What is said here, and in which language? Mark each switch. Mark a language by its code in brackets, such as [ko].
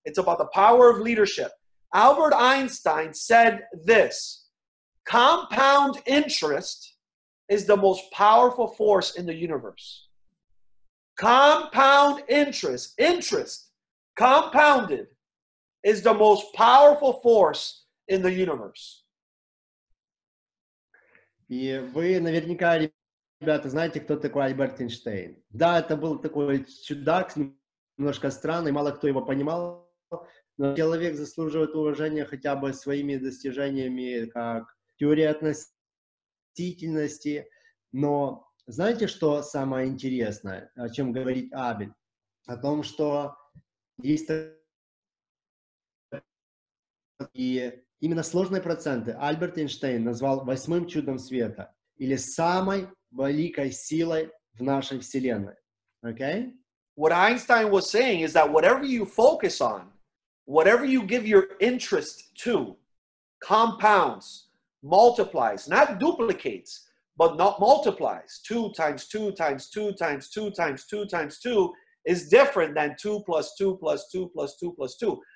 [en] It's about the power of leadership. Albert Einstein said this, compound interest is the most powerful force in the universe. Compound interest, compounded, is the most powerful force in the universe. [ru] И вы наверняка, ребята, знаете, кто такой Альберт Эйнштейн. Да, это был такой чудак, немножко странный, мало кто его понимал, но человек заслуживает уважения хотя бы своими достижениями, как теория относительности. Но знаете, что самое интересное, о чем говорит Абель? О том, что есть и именно сложные проценты Альберт Эйнштейн назвал восьмым чудом света или самой великой силой в нашей Вселенной. [en] Okay? What Einstein was saying is that whatever you focus on, whatever you give your interest to, compounds, multiplies, not duplicates, but not multiplies. 2 times 2 times 2 times 2 times 2 times 2 is different than 2 plus 2 plus 2 plus 2 plus 2.